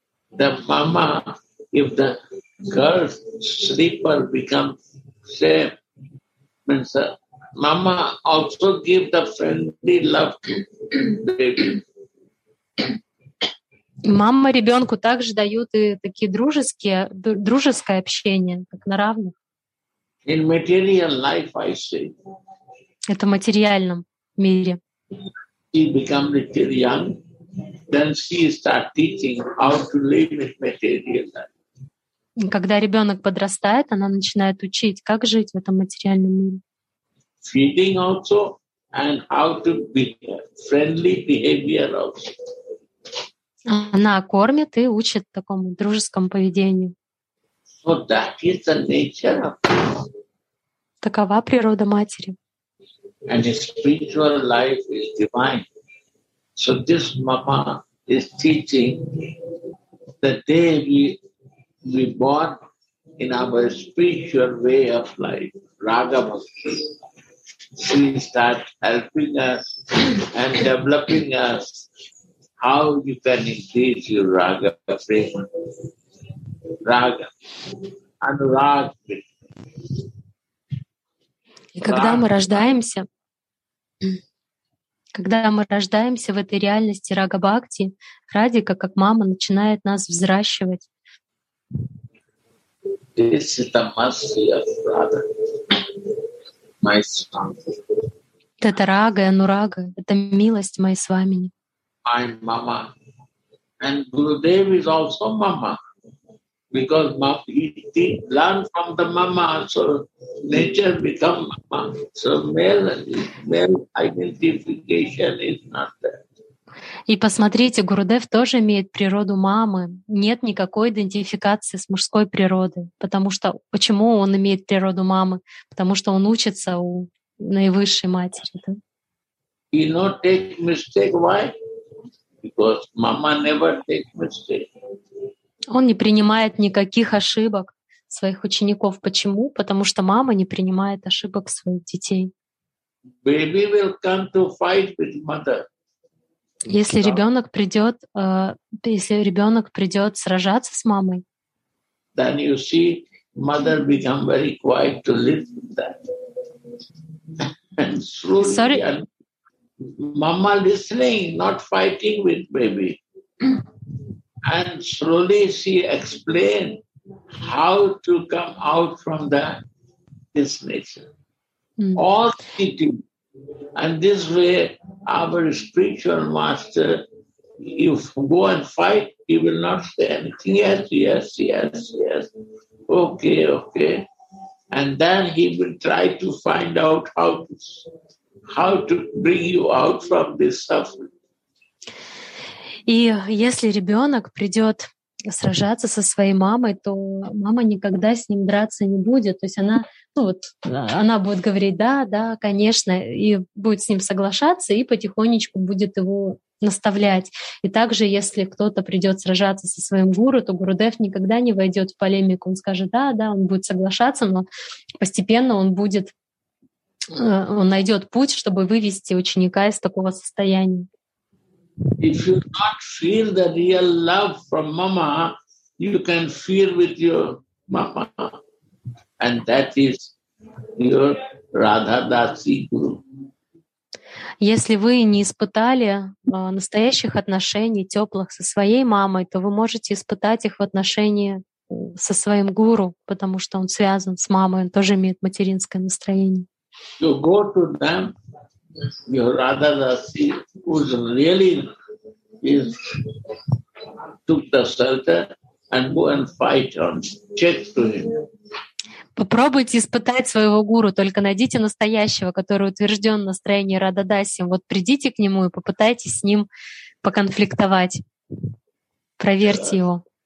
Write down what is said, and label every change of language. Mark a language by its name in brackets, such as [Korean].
[English] The mama, if the girl's sleeper becomes same, means the mama also give the friendly love to baby. [Russian] Мама ребенку также дают и такие дружеское общение, как на равных. [English] In material life, I say. [Russian] это материальном мире. [English] She become little young, then she start teaching how to live with material life. [Russian] Когда ребенок подрастает, она начинает учить, как жить в этом материальном мире. [English] Feeding also and how to be friendly behavior also. [Russian] Она кормит и учит такому дружескому поведению. [English] So that is the nature of [Russian] God. Такова природа матери. [English] And his spiritual life is divine. So this mama is teaching the day we born in our spiritual way of life, Radha Bhakti. She starts helping us and developing us how you can increase your Raga Prema. Raga. Anurag. [Russian] И когда мы рождаемся, когда мы рождаемся в этой реальности Рага Бхакти, Радика, как мама, начинает нас взращивать. [English] This is the mercy of Radha, my son. [Russian] Это Рага, Анурага, это милость моей Свамини. [English] I'm mama. And Gurudev is also mama. Because mama, he did learn from the mama, so nature become mama. So male identification is not there. [Russian] И посмотрите, Гурудев тоже имеет природу мамы. Нет никакой идентификации с мужской природой. Потому что почему он имеет природу мамы? Потому что он учится у наивысшей матери. Да? [English] He not take mistake. Why? Because mama never take mistake. [Russian] Он не принимает никаких ошибок своих учеников. Почему? Потому что мама не принимает ошибок своих детей. [English] Baby will come to fight with mother. [Russian] Если ребенок придет, сражаться с мамой, [English] then you see mother become very quiet to live with that. And slowly, sorry. And mama listening, not fighting with baby. And slowly she explained how to come out from this nature. Mm. All she did. And this way, our spiritual master, if go and fight, he will not say anything. Yes, yes, yes, yes. Okay, okay. And then he will try to find out how to bring you out from this suffering. [Russian] И если ребенок придет сражаться со своей мамой, то мама никогда с ним драться не будет. То есть она, ну вот, она будет говорить «да, да, конечно», и будет с ним соглашаться, и потихонечку будет его наставлять. И также, если кто-то придет сражаться со своим гуру, то Гурудев никогда не войдет в полемику. Он скажет «да, да», он будет соглашаться, но постепенно он найдет путь, чтобы вывести ученика из такого состояния. [English] If you not feel the real love from mama, you can feel with your mama. And that is your Radha Dasi Guru. [Russian] Если вы не испытали настоящих отношений, теплых со своей мамой, то вы можете испытать их в отношении со своим гуру, потому что он связан с мамой, он тоже имеет материнское настроение. [English] You go to them. Your Radha Dasi, who really is, took the shelter and go and fight on. Check to him. [Russian] Попробуйте испытать своего гуру, только найдите настоящего, который утвержден в настроении Радха Даси. Вот придите к нему и попытайтесь с ним поконфликтовать. Проверьте его.